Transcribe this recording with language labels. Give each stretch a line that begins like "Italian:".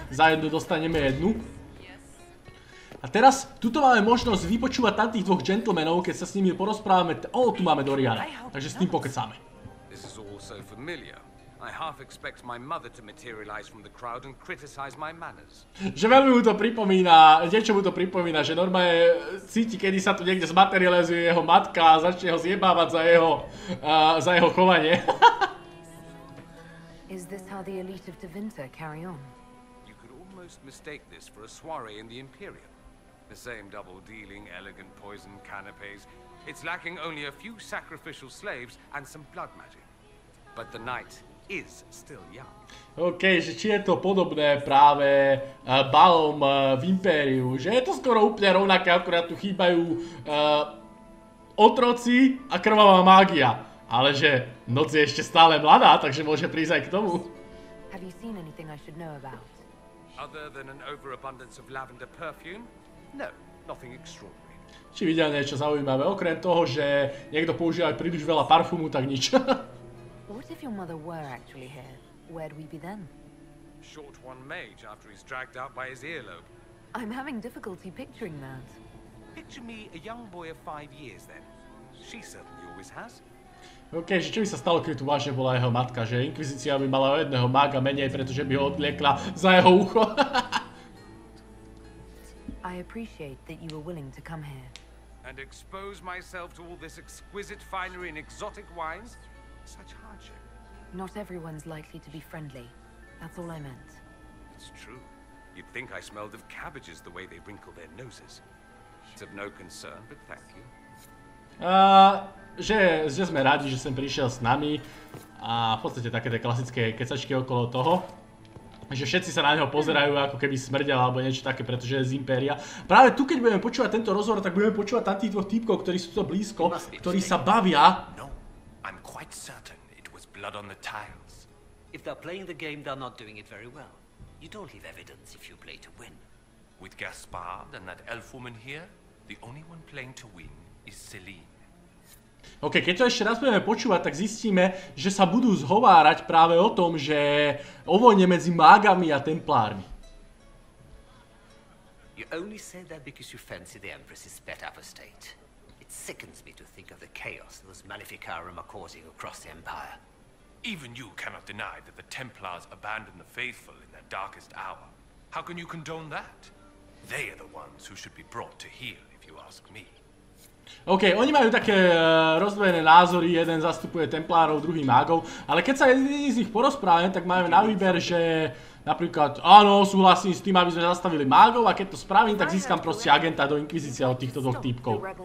Slovak: Za jednu dostaneme jednu. A teraz, tuto máme možnosť vypočúvať tamtých dvoch gentlemanov, keď sa s nimi porozprávame. O, tu máme Doriana, takže s tým pokecáme.
English: This is all so familiar. I half expect my mother to materialize from the crowd and criticize my manners.
Slovak: Že veľmi mu to pripomína, niečo mu to pripomína, že normálne cíti, kedy sa tu niekde zmaterializuje jeho matka a začne ho zjebávať za jeho chovanie.
English: Is this how the elite of Devinter carry on? You could almost mistake this for a soiree in the Imperium. The same double-dealing, elegant poison canapes. It's lacking only a few sacrificial slaves and some blood magic. But the knight is still young.
Slovak: OK, že či je to podobné práve balom v Impériu? Že je to skoro úplne rovnaké, akurát tu chýbajú otroci a krvavá mágia. Ale že noc je ešte stále mladá, takže môže prísť aj k tomu.
English: Have you seen anything I should know about? Other than an overabundance of lavender perfume? No, nothing extraordinary.
Slovak: Či videl niečo zaujímavé, okrem toho, že niekto používa príliš veľa parfumu, tak nič.
English: What if your mother were actually here? Where'd we be then? Short one mage after he's dragged out by his earlobe. I'm having difficulty picturing that. Picture me a young boy of 5 years then. She certainly always has.
Slovak: OK, že čo by sa stalo, keby tu vážne bola jeho matka? Že Inkvizícia by mala jedného mága menej, pretože by ho odliekla za jeho ucho.
English: I appreciate that you were willing to come here. And expose myself to all this exquisite finery and exotic wines? Such hardship. Not everyone's likely to be friendly. That's all I meant. It's true. You'd think I smelled of cabbages the way they wrinkle their noses. It's of no concern, but thank you.
Slovak: Že sme radi, že sem prišiel s nami. A v podstate také tie klasické kecačky okolo toho. Že všetci sa na neho pozerajú, ako keby smrdel alebo niečo také, pretože je z Impéria. Práve tu, keď budeme počúvať tento rozhovor, tak budeme počúvať tamtých dvoch týpkov, ktorí sú to blízko, ktorí sa bavia.
English: No, I'm quite certain it was blood on the tiles. If they're playing the game, they're not doing it very well. You don't leave evidence if you play to win. With Gaspard and that elf woman here, the only one playing to win is Celine.
Slovak: OK, keď to ešte raz budeme počúvať, tak zistíme, že sa budú zhovárať práve o tom, že o vojne medzi mágami a templármi.
English: You only say that because you fancy the Empress is better off a state. It sickens me to think of the chaos those Maleficarum are causing across the Empire. Even you cannot deny that the Templars abandon the faithful in their darkest hour. How can you condone that? They are the ones who should be brought to heel, if you ask me.
Slovak: OK, oni majú také rozdvojené názory, jeden zastupuje Templárov, druhý mágov, ale keď sa jeden z nich porozpráva, tak máme na výber, že napríklad, áno, súhlasím s tým, aby sme zastavili mágov, a keď to spravím, tak získam proste agenta do inkvizície od týchto dvoch týpkov.